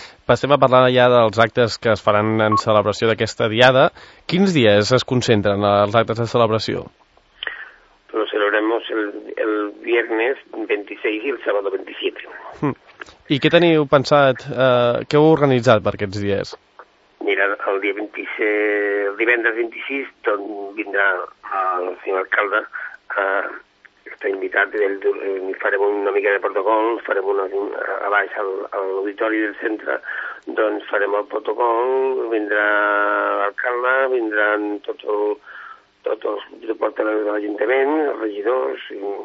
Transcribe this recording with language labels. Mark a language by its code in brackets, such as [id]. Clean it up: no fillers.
[ca] Passem a parlar allà dels actes que es faran en celebració d'aquesta diada. Quins dies es concentren els actes de celebració? [es] Lo celebremos el viernes 26 i el sábado 27. [ca] I què teniu pensat, què heu organitzat per aquests dies? Mira, el dia 26, el divendres 26, doncs vindrà el senyor alcalde, que està invitat, i farem una mica de protocol, farem a baix a l'auditori del centre, doncs farem el protocol, vindrà l'alcalde, vindran tots els portaveus de l'Ajuntament, els regidors, i